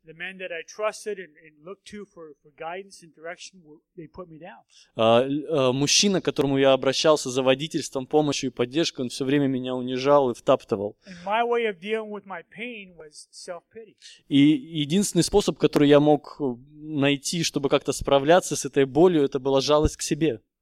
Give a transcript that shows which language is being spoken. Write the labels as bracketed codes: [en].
[en] The men that I trusted and looked to for guidance and direction, they put me down. [ru] Мужчина, к которому я обращался за водительством, помощью и поддержкой, он все время меня унижал и втаптывал. [en] And my way of dealing with my pain was self-pity. [ru] И единственный способ, который я мог найти, чтобы как-то справляться с этой болью, это была жалость к себе.